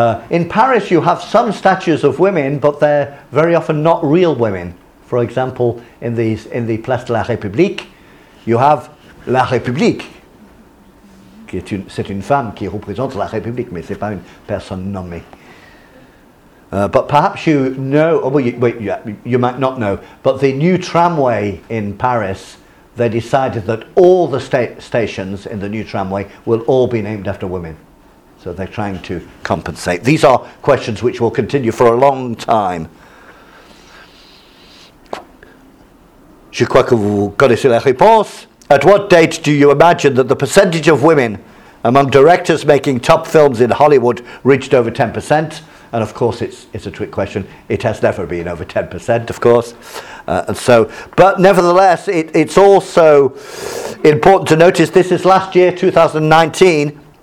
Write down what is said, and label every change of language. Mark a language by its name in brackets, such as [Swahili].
[English] In Paris, you have some statues of women, but they're very often not real women. For example, in the Place de la République, you have La République, [French] qui est c'est une femme qui représente la République, mais c'est pas une personne nommée. [English] But perhaps you know, you might not know, but the new tramway in Paris, they decided that all the stations in the new tramway will all be named after women. So they're trying to compensate. These are questions which will continue for a long time. [French] Je crois que vous connaissez la réponse. [English] At what date do you imagine that the percentage of women among directors making top films in Hollywood reached over 10%? And of course, it's a trick question. It has never been over 10%, of course. But nevertheless, it's also important to notice this is last year, 2019.